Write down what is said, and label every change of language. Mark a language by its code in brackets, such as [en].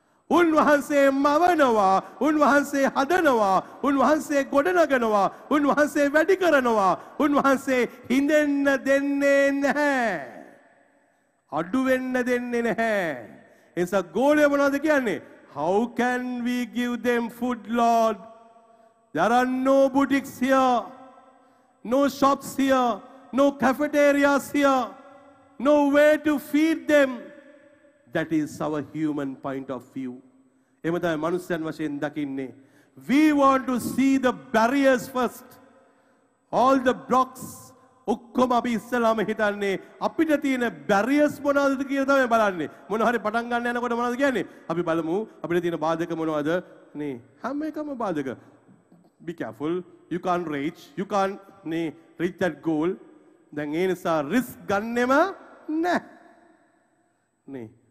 [si] උන්වහන්සේ මවනවා, උන්වහන්සේ හදනවා, උන්වහන්සේ ගොඩනගනවා, උන්වහන්සේ වැඩි කරනවා, උන්වහන්සේ හිඳෙන්න දෙන්නේ නැහැ. අඩු වෙන්න දෙන්නේ නැහැ. එනිසා ගෝලිය මොනවද කියන්නේ? [en] How can we give them food, Lord? There are no boutiques here, no shops here, no cafeterias here, no way to feed them. That is our human point of view. [si] Emathai manushyan vashayen dakinne. [en] We want to see the barriers first. All the blocks. [si] ඔක්කොම අපි ඉස්සලාම හිතන්නේ අපිට තියෙන barriers මොනවද කියලා තමයි බලන්නේ මොන හරි පටන් ගන්න යනකොට මොනවද කියන්නේ අපි බලමු අපිට තියෙන බාධක මොනවද නේ හැම එකම බාධක [en] be careful you can't [si] reach you can't නේ [en] reach that goal [si] දැන් ඒ නිසා risk ගන්නෙම නැහැ නේ